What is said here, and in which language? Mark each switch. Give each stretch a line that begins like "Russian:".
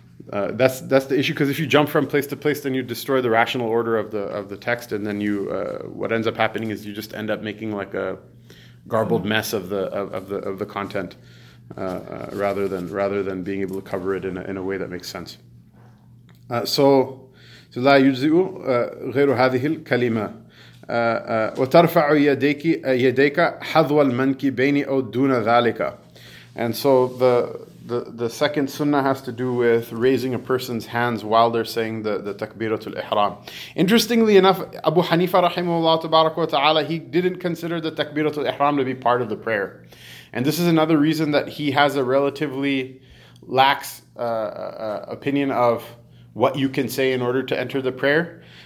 English: that's the issue, because if you jump from place to place, then you destroy the rational order of the text, and then you what ends up happening is you just end up making like a garbled mess of the content rather than being able to cover it in a way that makes sense. So
Arabic: لا يجزئ غير هذه الكلمة. وترفع يديك حذو المنكبين أو دون ذلك.
English: And so the second sunnah has to do with raising a person's hands while they're saying the takbiratul ihram. Interestingly enough, Abu Hanifa rahimahullah tabaraka wa ta'ala, he didn't consider the takbiratul ihram to be part of the prayer. And this is another reason that he has a relatively lax opinion of what you can say in order to enter the prayer.